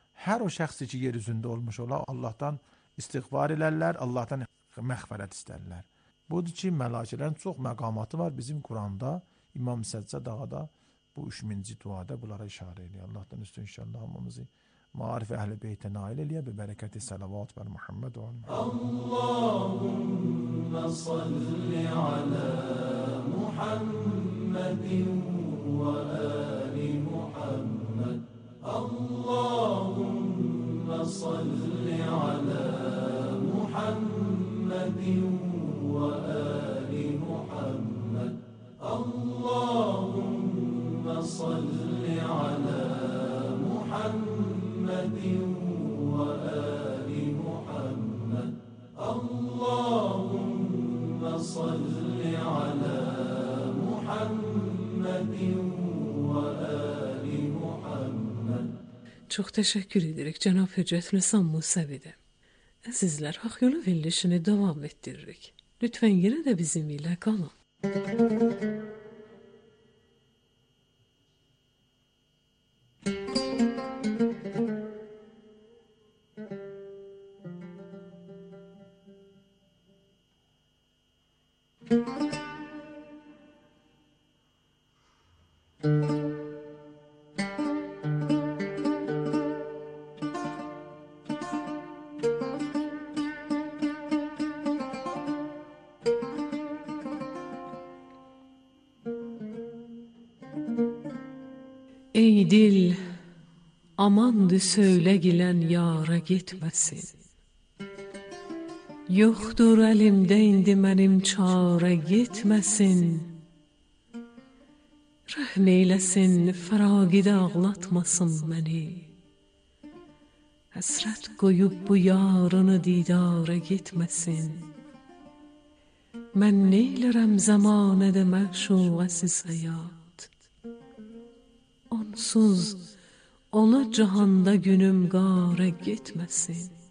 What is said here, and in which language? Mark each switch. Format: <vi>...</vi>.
<az>Hər o şəxs ki, yer üzündə olmuş ola, Allahdan istiğfar edərlər, Allahdan məğfirət istərlər. Budur ki, mələkələrin çox məqamatı var bizim Quranda. İmam Səccad ağa da bu 3-cü duada bunlara işarə edir. Allahdan üstün inşallah hamımızı maarif əhl-i beytə nail eləyə bi bərəkəti salavat bər Muhammed olun.</az> <ar>Allahumma salli ala Muhammedin وآل محمد اللهم صل على محمد وآل محمد اللهم صل على محمد وآل محمد اللهم صل على محمد</ar> <az>Çox təşəkkür edirik, cənab Hüccət Nisan Musəvidə. Əzizlər, haqyolu verilişini davam etdiririk. Lütfən yerə də bizim ilə qalın. Ey dil, amandı söyle gilen yara gitmesin. Yoxdur əlimdə indi mənim çare gitmesin. Rəhm eyləsin, fəraqidə ağlatmasın məni. Həsrət qoyub bu yarını didara gitmesin. Mən neylərəm zamanədə məşuqəsiz həyat. Onsuz ona cahanda günüm qara gitmesin.</az>